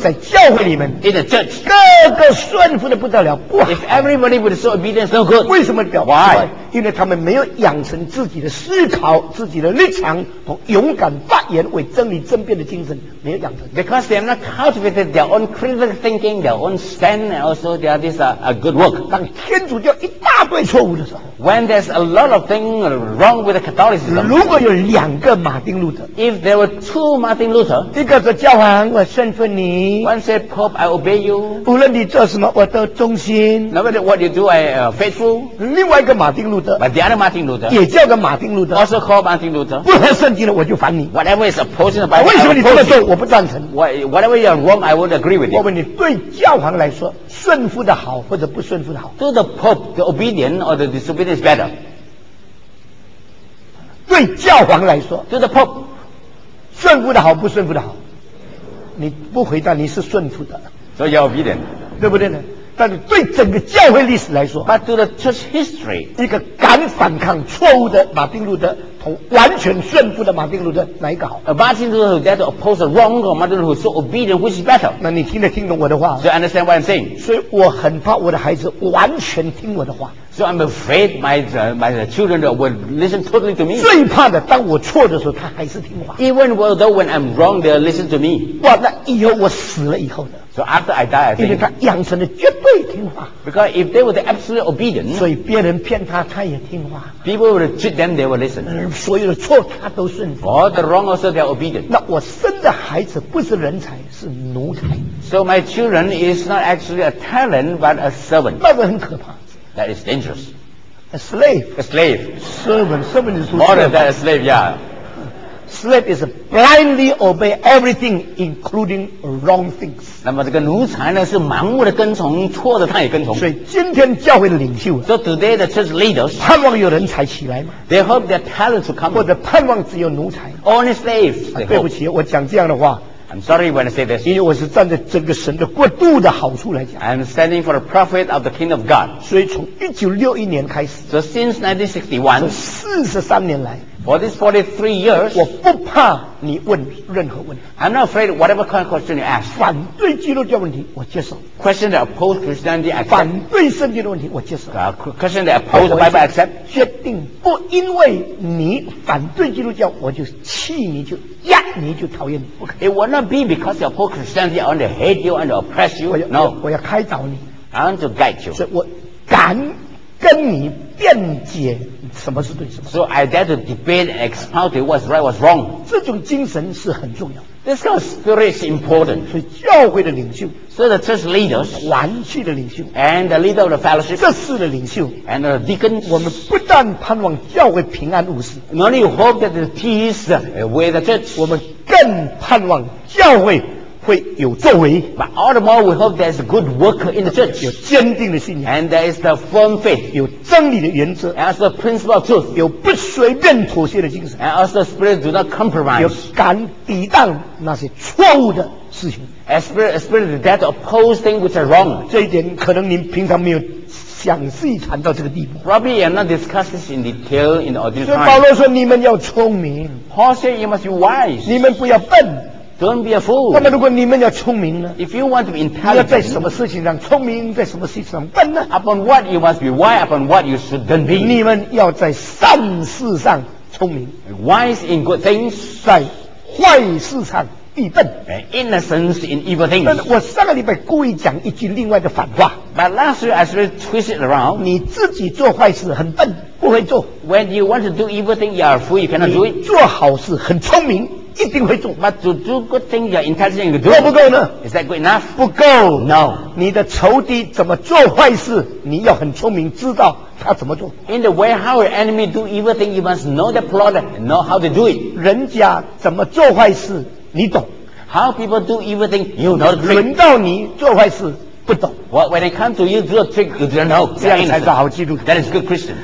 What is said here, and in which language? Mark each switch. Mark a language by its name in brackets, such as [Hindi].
[Chinese] 在教会里面， [English] in the church, [Chinese] 个个顺服得不得了，不好。 [English] If everybody were so obedient, it's no good. Why? [Chinese] 因为他们没有养成自己的思考、自己的立场和勇敢发言、为真理争辩的精神，没有养成。 [English] Because they have not cultivated their own critical thinking, their own stand, and also their this a good work. [Chinese] 当天主教一大堆错误的时候， [English] When there's a lot of things wrong with Catholicism. [Chinese] 如果有两个马丁路德， [English] If there were two Martin Luther, [Chinese] 一个是教皇，我顺服你。 [English] One said, Pope, I obey you. [Chinese] 无论你做什么，我都忠心。 [English] No matter what you do, I faithful. [Chinese] 另外一个马丁路德， [English] But the other Martin Luther, [Chinese] 也叫个马丁路德， [English] also called Martin Luther, [Chinese] 不合圣经的我就烦你。 [English] Whatever is opposing the Bible, [Chinese] 为什么你这么做我不赞成。 [English] Whatever you are wrong, I won't agree with you. [Chinese] 我问你，对教皇来说顺服的好或者不顺服的好？ [English] To the Pope, the obedient or the disobedient is better. [Chinese] 对教皇来说， [English] To the Pope, [Chinese] 顺服的好不顺服的好？你不回答，你是顺服的， [English] So you are obedient, [Chinese] 对不对呢？但是对整个教会历史来说， [English] But to the church history, [Chinese] 一个敢反抗错误的马丁路德同完全顺服的马丁路德，哪一个好？ [English] A Martin Luther who dare to oppose the wrong, or Martin Luther who is so obedient, which is better? [Chinese] 那你听得听懂我的话？ [English] So you understand what I'm saying? [Chinese] 所以我很怕我的孩子完全听我的话。 [English] So I'm afraid my children will listen totally to me. [Chinese] 最怕的，当我错的时候，他还是听话。 [English] Even though when I'm wrong, they'll listen to me. [Chinese] 哇，那以后我死了以后呢？ [English] So after I die, I think, [Chinese] 因为他养成了绝对听话。 [English] Because if they were the absolute obedient, [Chinese] 所以别人骗他，他也听话。 [English] People would cheat them, they would listen. [Chinese] 所有的错他都顺服。 [English] All the wrong also they're obedient. [Chinese] 那我生的孩子不是人才，是奴才。 [English] So my children is not actually a talent, but a servant. [Chinese] 那个很可怕。 [English] That is dangerous. A slave. Servant is more servant. Than a slave, yeah. Slave is blindly obey everything, including wrong things. [Chinese] 那么这个奴才呢，是盲目的跟从，错的他也跟从。所以今天教会的领袖 [English] ，So today the church leaders， [Chinese] 盼望有人才起来吗 [English] ？They hope their talents will come， [Chinese] 或者盼望只有奴才 [English] ？Only slaves、 [Chinese] 啊。对不起，我讲这样的话 [English] ，I'm sorry when I say this， [Chinese] 因为我是站在整个神的国度的好处来讲。 [English] I'm standing for the profit of the kingdom of God。 [Chinese] 所以从1961年开始 [English] ，So since 1961， [Chinese] 43年来。 [English] For these 43 years, [Chinese] 我不怕你问任何问题。 [English] I'm not afraid whatever kind of question you ask. [Chinese] 反对基督教问题，我接受。 [English] Question that oppose Christianity, accept. [Chinese] 反对圣经的问题，我接受。 [English] Question that oppose the Bible, accept. [Chinese] 决定不因为你反对基督教，我就气你，就压你，就讨厌你。 [English] Okay. It will not be because you oppose Christianity and hate you and oppress you. [Chinese] 我要开导你。 [English] I want to guide you. [Chinese] 所以我敢跟你辩解什么是对什么。 [English] So I dare to debate and expound it what's right, what's wrong. [Chinese] 这种精神是很重要。 [English] This kind of spirit is important. [Chinese] 所以教会的领袖。 [English] So the church leaders. [Chinese] 团契的领袖。 [English] And the leader of the fellowship. [Chinese] 这事的领袖。 [English] And the deacons. [Chinese] 我们不但盼望教会平安无事。 [English] Not only hope that the peace with the church. [Chinese] 我们更盼望教会会有作为。 [English] But all the more we hope there's a good worker in the church. [Chinese] 有坚定的信仰。 [English] And there is the firm faith. [Chinese] 有真理的原则。 [English] And also the principle of truth. [Chinese] 有不随便妥协的精神。 [English] And also the spirit do not compromise. [Chinese] 有敢抵挡那些错误的事情。 [English] A spirit that oppose things which are wrong. [Chinese] 这一点可能您平常没有详细谈到这个地步。 [English] Probably you're not discussing in detail in the ordinary time. [Chinese] 所以保罗说你们要聪明。 [English] Paul said you must be wise. [Chinese] 你们不要笨。 [English] Don't be a fool. [Chinese] 那么如果你们要聪明呢 [English] ？If you want to be intelligent, [Chinese] 你要在什么事情上聪明，在什么事情上笨呢 [English] ？Upon what you must be wise, upon what you shouldn't be. [Chinese] 你们要在善事上聪明 [English] ，wise in good things， [Chinese] 在坏事上愚笨 [English] ，innocence in evil things. [Chinese] 但我上个礼拜故意讲一句另外的反话 [English] ，But last week I sort of twist it around. [Chinese] 你自己做坏事很笨，不会做。 [English] When you want to do evil things, you are a fool. You cannot do it. [Chinese] 做好事很聪明。一定会做 [English] ，But to do good things, you're intelligent. [Chinese] 够不够呢 [English] ？Is that good enough? [Chinese] 不够 [English] ，No. [Chinese] 你的仇敌怎么做坏事，你要很聪明，知道他怎么做。 [English] In the way how your enemy do evil thing, you must know the plot and know how to do it. [Chinese] 人家怎么做坏事，你懂。 [English] How people do evil thing, you know the trick. [Chinese] 轮到你做坏事，不懂。 [English] Well, when it comes to you do a trick, you don't know. [Chinese] 这样才是好基督徒。 [English] That is good Christian.